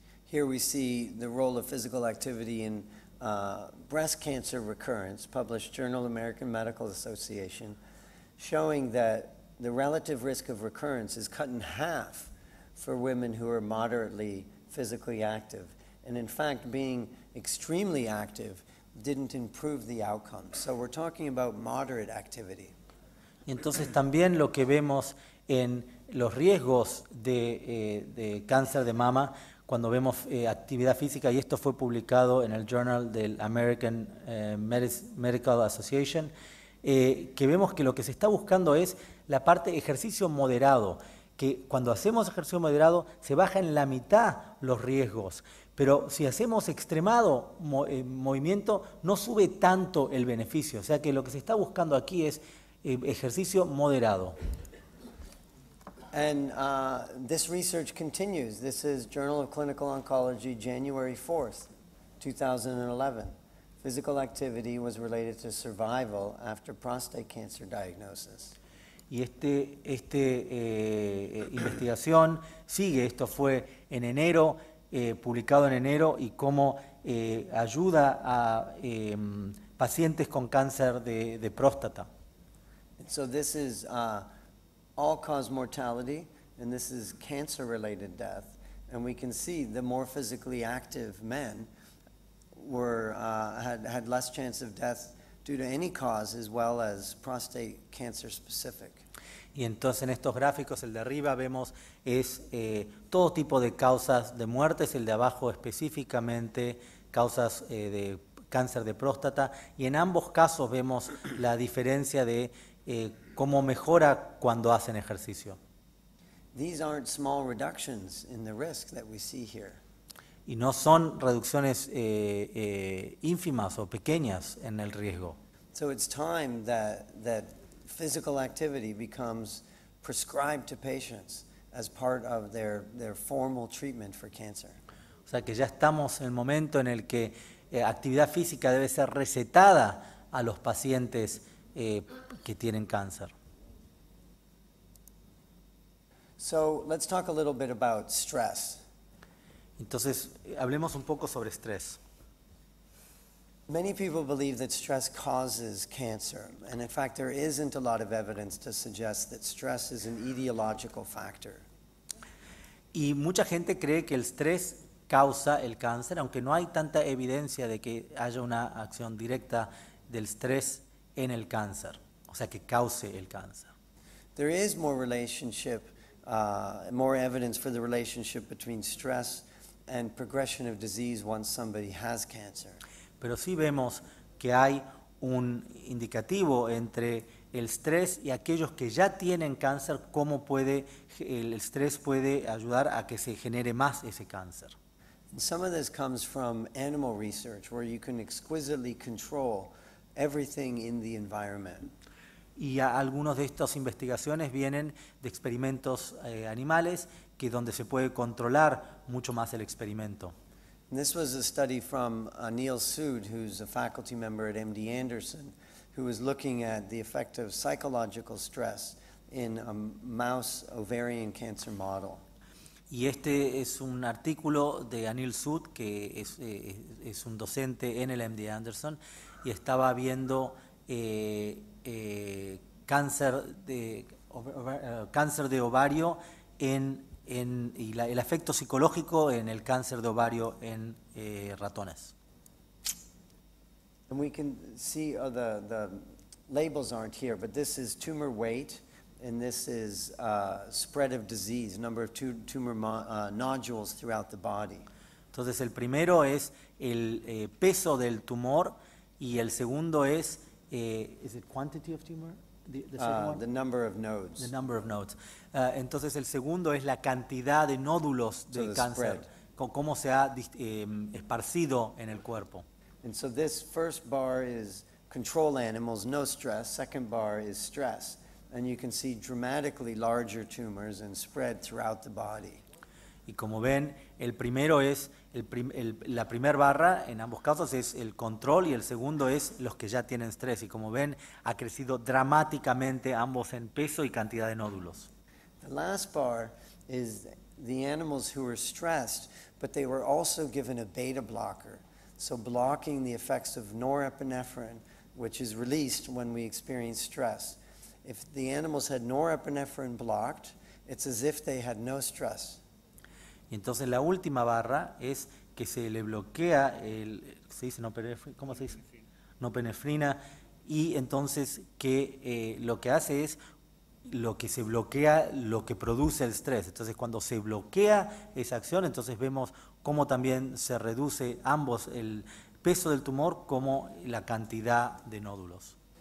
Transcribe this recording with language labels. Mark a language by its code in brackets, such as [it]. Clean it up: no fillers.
[en] Here we see the role of physical activity in breast cancer recurrence, published Journal of American Medical Association, showing that the relative risk of recurrence is cut in half for women who are moderately physically active, and in fact being extremely active didn't improve the outcome. So we're talking about moderate activity. [es] Y entonces también lo que vemos en los riesgos de cáncer de mama cuando vemos actividad física, y esto fue publicado en el Journal del American Medical Association, que vemos que lo que se está buscando es la parte ejercicio moderado, que cuando hacemos ejercicio moderado se baja en la mitad los riesgos, pero si hacemos extremado movimiento no sube tanto el beneficio. O sea que lo que se está buscando aquí es ejercicio moderado. [en] And this research continues. This is Journal of Clinical Oncology, January 4th, 2011. Physical activity was related to survival after prostate cancer diagnosis. [es] Y esta investigación sigue. Esto fue en enero, publicado en enero, y cómo ayuda a pacientes con cáncer de próstata. [en] And so this is all-cause mortality, and this is cancer-related death. And we can see the more physically active men were had less chance of death due to any cause, as well as prostate cancer specific. [es] Y entonces en estos gráficos, el de arriba vemos es todo tipo de causas de muertes, el de abajo específicamente causas de cáncer de próstata, y en ambos casos vemos la diferencia de cómo mejora cuando hacen ejercicio. [en] These aren't small reductions in the risk that we see here. [es] Y no son reducciones ínfimas o pequeñas en el riesgo. [en] So it's time that physical activity becomes prescribed to patients as part of their formal treatment for cancer. [es] O sea que ya estamos en el momento en el que actividad física debe ser recetada a los pacientes que tienen cáncer. [en] So let's talk a little bit about stress. [es] Entonces, hablemos un poco sobre estrés. [en] Many people believe that stress causes cancer, and in fact, there isn't a lot of evidence to suggest that stress is an etiological factor. [es] Y mucha gente cree que el estrés causa el cáncer, aunque no hay tanta evidencia de que haya una acción directa del estrés en el cáncer, o sea, que cause el cáncer. [en] There is more relationship, more evidence for the relationship between stress and progression of disease once somebody has cancer. [es] Pero sí vemos que hay un indicativo entre el estrés y aquellos que ya tienen cáncer, cómo puede el estrés puede ayudar a que se genere más ese cáncer. [en] Some of this comes from animal research, where you can exquisitely control everything in the environment. [es] Y algunos de estas investigaciones vienen de experimentos animales, que donde se puede controlar mucho más el experimento. [en] This was a study from Neil Sood, who's a faculty member at MD Anderson, who was looking at the effect of psychological stress in a mouse ovarian cancer model. [es] Y este es un artículo de Neil Sood, que es un docente en el MD Anderson, y estaba viendo cáncer de ovario el efecto psicológico en el cáncer de ovario en ratones. [en] And we can see the labels aren't here, but this is tumor weight, and this is spread of disease, number of tumor nodules throughout the body. [es] Entonces el primero es el peso del tumor, y el segundo es [en] is it quantity of tumor? The number of nodes. The number of nodes. [es] Entonces el segundo es la cantidad de nódulos de cáncer, cómo se ha esparcido en el cuerpo. [en] And so this first bar is control animals, no stress. Second bar is stress, and you can see dramatically larger tumors and spread throughout the body. [es] Y como ven, el primero es la primera barra, en ambos casos es el control, y el segundo es los que ya tienen estrés. Y como ven, ha crecido dramáticamente ambos en peso y cantidad de nódulos. [en] The last bar is the animals who were stressed, but they were also given a beta blocker. So blocking the effects of norepinephrine, which is released when we experience stress. If the animals had norepinephrine blocked, it's as if they had no stress. [es] Y entonces la última barra es que se le bloquea el, ¿se dice norepinefrina? ¿Cómo se dice? Norepinefrina. Y entonces que lo que hace es lo que se bloquea, lo que produce el estrés. Entonces cuando se bloquea esa acción, entonces vemos cómo también se reduce ambos el peso del tumor como la cantidad de nódulos.